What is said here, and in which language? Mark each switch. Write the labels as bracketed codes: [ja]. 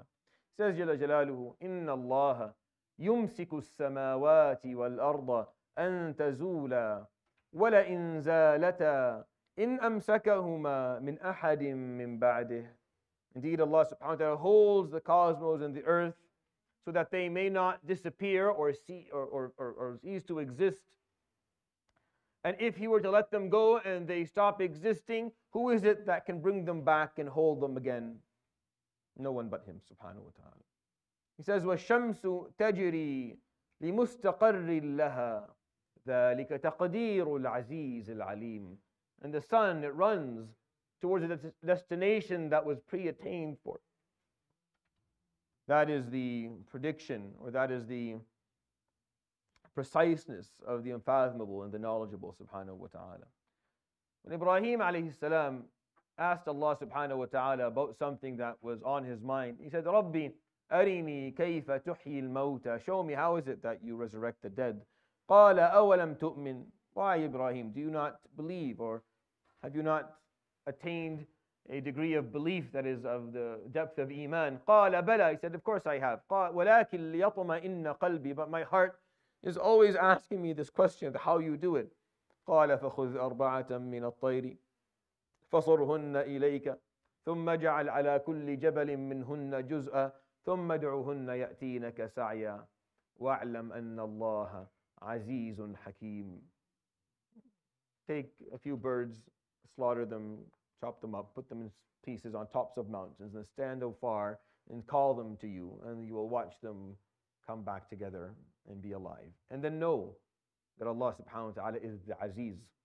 [en] It says, Jalla Jalaluhu, [ar] إِنَّ اللَّهَ يُمْسِكُ السَّمَاوَاتِ وَالْأَرْضَ أَن تَزُولَ وَلَئِنْ زَالَتَا إِنْ أَمْسَكَهُمَا مِنْ أَحَدٍ مِّنْ بَعْدِهِ. [en] Indeed, Allah subhanahu wa ta'ala holds the cosmos and the earth, so that they may not disappear or see or cease to exist. And if he were to let them go and they stop existing, who is it that can bring them back and hold them again? No one but him, subhanahu wa ta'ala. He says, [ar] وَالشَّمْسُ تَجْرِي لِمُسْتَقَرِّ لَهَا ذَلِكَ تَقْدِيرُ الْعَزِيزِ الْعَلِيمِ. [en] And the sun, it runs towards the destination that was pre-attained for. That is the prediction, or that is the preciseness of the unfathomable and the knowledgeable, subhanahu wa ta'ala. When Ibrahim alayhi salam asked Allah subhanahu wa ta'ala about something that was on his mind, he said, [ar] Rabbi, arini kayfa tuhyi al-mawta. [en] Show me, how is it that you resurrect the dead? [ar] Qala awalam tu'min. [en] Why, Ibrahim, do you not believe, or have you not attained a degree of belief that is of the depth of iman? [ar] Qala bala. [en] He said, of course I have. [ar] Walakin liyatma'inna qalbi. [en] But my heart is always asking me this question of how you do it. [ar] قال فخذ أربعة من الطير فصرهن إليك ثم جعل على كل جبل منهن جزءا ثم دعهن يأتينك سعيا واعلم أن الله عزيز حكيم. [en] Take a few birds, slaughter them, chop them up, put them in pieces on tops of mountains, and stand afar and call them to you, and you will watch them come back together and be alive. And then know that Allah subhanahu wa ta'ala is the Aziz.